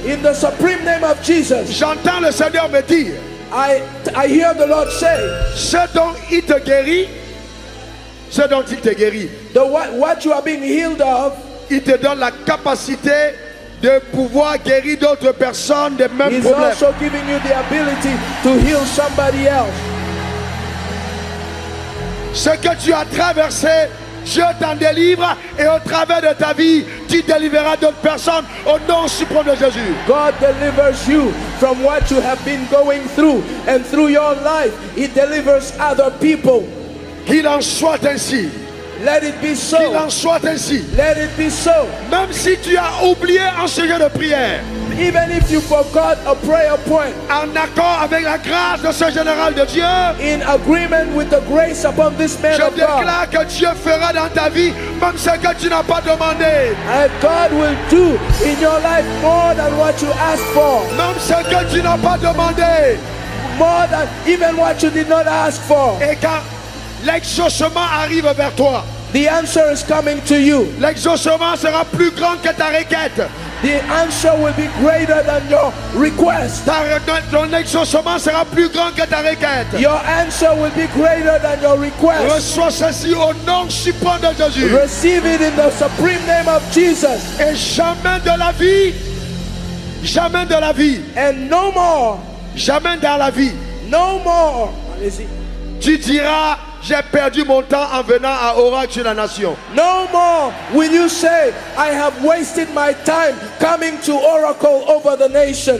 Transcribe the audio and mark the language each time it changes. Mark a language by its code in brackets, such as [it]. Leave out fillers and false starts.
[en] In the supreme name of Jesus. [fr] J'entends le Seigneur me dire. [en] I hear the Lord say. [fr] Ce dont il te guérit. [en] What you are being healed of. [fr] Il te donne la capacité de pouvoir guérir d'autres personnes des mêmes [en] He's [fr] problèmes. [en] He's also giving you the ability to heal somebody else. [fr] Ce que tu as traversé, Dieu t'en délivre et au travers de ta vie, tu délivreras d'autres personnes au nom suprême de Jésus. [en] God delivers you from what you have been going through and through your life, He delivers other people. [fr] Qu'il en soit ainsi. [en] Let it be so. [fr] Qu'il en soit ainsi. [en] Let it be so. [fr] Même si tu as oublié un sujet de prière. [en] Even if you forgot a prayer point. [fr] En accord avec la grâce de ce général de Dieu. [en] In agreement with the grace upon this man of God. [fr] Je déclare que Dieu fera dans ta vie même ce que tu n'as pas demandé. [en] And God will do in your life more than what you asked for. [fr] Même ce que tu n'as pas demandé. [en] More than even what you did not ask for. [fr] Et quand l'exaucement arrive vers toi. [en] The answer is coming to you. [fr] L'exaucement sera plus grand que ta requête. [en] The answer will be greater than your request. [fr] Ton exaucement sera plus grand que ta requête. [en] Your answer will be greater than your request. [fr] Reçois ceci au nom suprême de Jésus. [en] Receive it in the supreme name of Jesus. [fr] Et jamais de la vie. [en] And no more. [fr] Jamais dans la vie. [en] No more. [fr] Allez-y. Tu diras. J'ai perdu mon temps en venant à Orange la Nation. [en] No more will you say I have wasted my time coming to Oracle over the nation.